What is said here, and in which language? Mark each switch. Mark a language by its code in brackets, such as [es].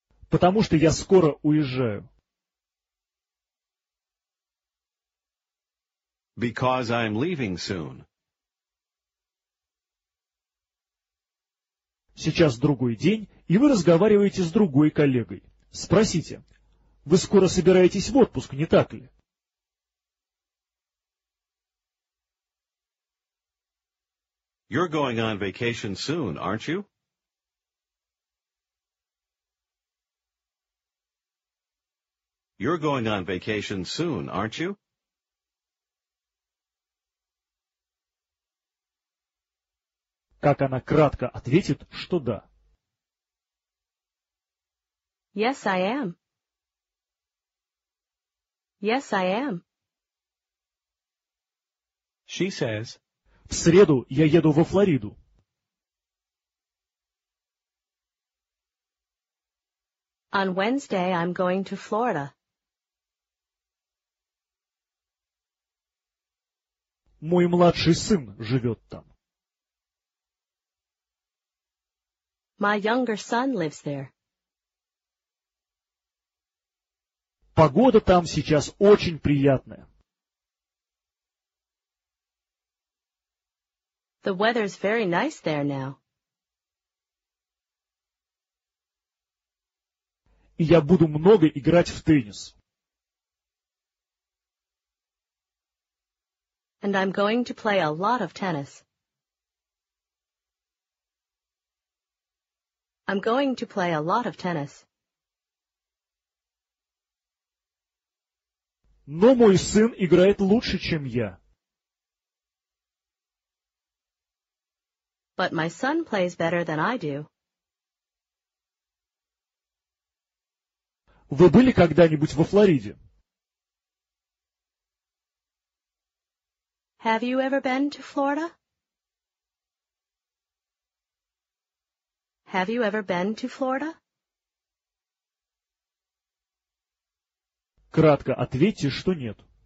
[ru] Потому что я скоро уезжаю. [en] Because I'm leaving soon. [ru] Сейчас другой день, и вы разговариваете с другой коллегой. Спросите, вы скоро собираетесь в отпуск, не так ли? [en] You're going on vacation soon, aren't you? You're going on vacation soon, aren't you? [ru] Как она кратко ответит, что да. [en] Yes, I am. Yes, I am. She says, [ru] в среду я еду во Флориду. [en] On Wednesday I'm going to Florida. [ru] Мой младший сын живет там. [en] My younger son lives there. [ru] Погода там сейчас очень приятная. [en] The weather's very nice there now. [ru] И я буду много играть в теннис. [en] And I'm going to play a lot of tennis. I'm going to play a lot of tennis. [ru] Но мой сын играет лучше, чем я. [en] But my son plays better than I do. [ru] Вы были когда-нибудь во Флориде? [en] Have you ever been to Florida? Have you ever been to Florida? [ru] Кратко ответьте, что нет.